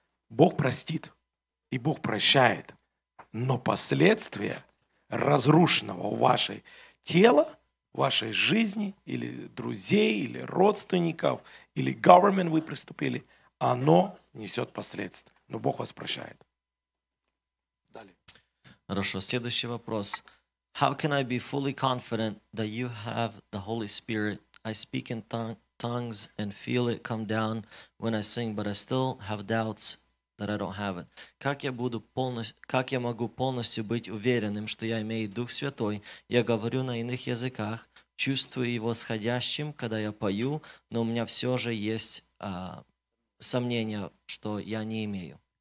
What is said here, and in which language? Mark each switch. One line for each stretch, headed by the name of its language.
Russian: Бог простит и Бог прощает, но последствия разрушенного вашего тела, вашей жизни, или друзей, или родственников, или government вы приступили, оно несет последствия. Но Бог вас прощает. Далее. Хорошо, следующий вопрос.
English: How can I be fully confident that you have the Holy Spirit? I speak in tongues and feel it come down when I sing, but I still have doubts that I don't have it.
Russian: Как я могу полностью быть уверенным, что я имею Дух Святой? Я говорю на иных языках, чувствую его сходящим, когда я пою, но у меня все же есть сомнения, что я не имею.